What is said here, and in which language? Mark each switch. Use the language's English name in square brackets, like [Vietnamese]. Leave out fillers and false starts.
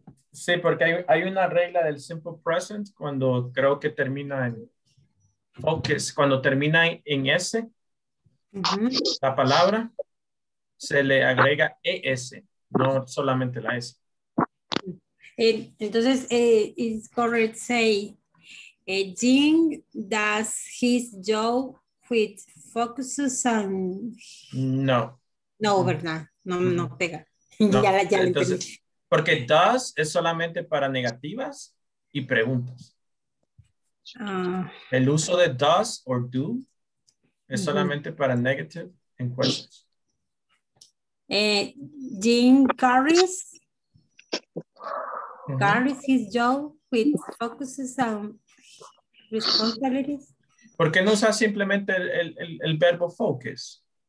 [Spanish] Sí, porque hay una regla del simple present cuando creo que termina en focus, cuando termina en S, la palabra, se le agrega ES, no solamente la S. Entonces, [English] it's correct to say, Jim does his job with focuses on... [Spanish] No. No, verdad, no pega. No. Ya entonces, entendí. Porque does es solamente para negativas y preguntas. El uso de [English] does or do [Spanish] es solamente para [English] negative and questions. Jim carries his job with focuses on responsibilities. [Spanish] ¿Por qué no usa simplemente el verbo focus?